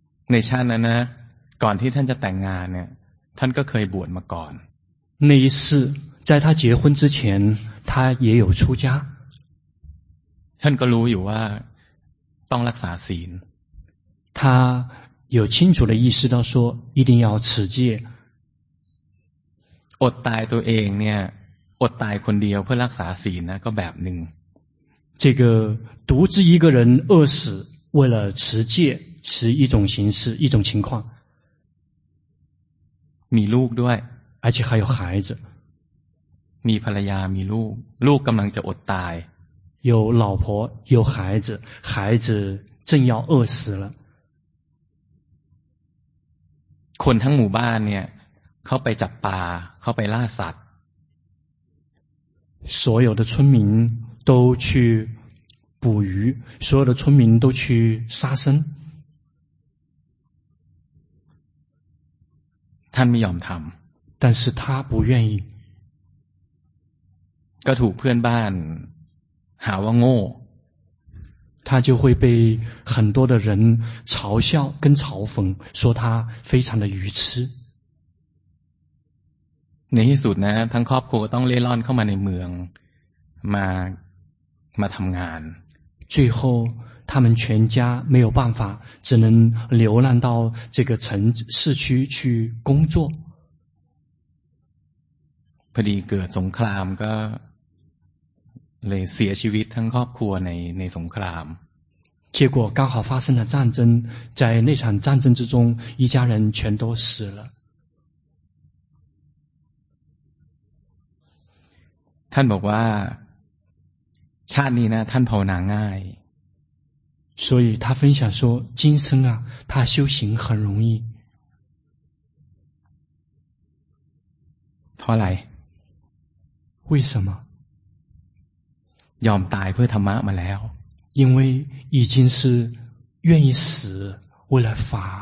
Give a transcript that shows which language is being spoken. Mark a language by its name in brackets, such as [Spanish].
[Thai] ในชาตินั้นนะก่อนที่ท่านจะแต่งงานเนี่ยท่านก็เคยบวชมาก่อน [Chinese] 那一次在他结婚之前他也有出家 [Thai] ท่านก็รู้อยู่ว่าต้องรักษาศีล [Chinese] 他有清楚的意识到说一定要持戒 [Thai] อดตายตัวเองเนี่ยอดตายคนเดียวเพื่อรักษาศีลนะก็แบบหนึ่ง [Chinese] 这个独自一个人饿死为了持戒是一种形式一种情况 [Thai] มีลูกด้วย [Chinese] 而且还有孩子 [Thai] มีภรรยามีลูกลูกกำลังจะอดตาย [Chinese] 有老婆有孩子孩子正要饿死了 [Thai] คนทั้งหมู่บ้านเนี่ยเขาไปจับปลาเขาไปล่าสัตว์ [Chinese] 所有的村民都去捕鱼所有的村民都去杀生 [Thai] ท่านไม่ยอมทำ [Chinese] 但是他不愿意 [Thai] ก็ถูกเพื่อนบ้านหาว่าโง่ [Chinese] 他就会被很多的人嘲笑跟嘲讽说他非常的愚痴 [Thai] ในที่สุดนะทั้งครอบครัวต้องเล่ร่อนเข้ามาในเมืองมาทำงาน [Chinese] 最后他们全家没有办法只能流浪到这个城市区去工作 [Thai] พอดีเกิดสงครามก็เลยเสียชีวิตทั้งครอบครัวในสงคราม [Chinese] 结果刚好发生了战争在那场战争之中一家人全都死了 [Thai] ท่านบอกว่าชาตินี้นะท่านภาวนาง่าย [Chinese] 所以他分享说今生啊他修行很容易 [Thai] เพราะอะไร [Chinese] 为什么 [Thai] ยอมตายเพื่อธรรมะมาแล้ว [Chinese] 因为已经是愿意死为了法